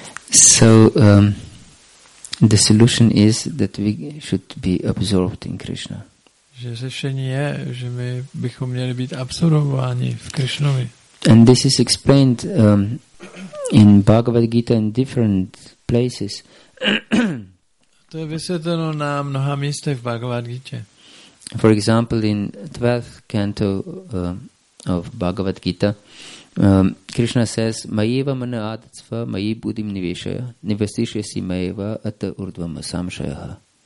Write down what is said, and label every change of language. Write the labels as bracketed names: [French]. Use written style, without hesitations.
[English] So the solution is that we should be absorbed in Krishna. [Czech] Že řešení je, že my bychom měli být absorbováni v Krishnovi. [English] And this is explained in Bhagavad Gita in different places. [Czech] To je vysvětleno na mnoha místech v Bhagavad Gita. [English] For example, in 12th canto of Bhagavad Gita, Krishna says, [Sanskrit] "Maiva mana adatsva, mai budim niveshaya, niveshishya si maiva ata urdvam samshayaha."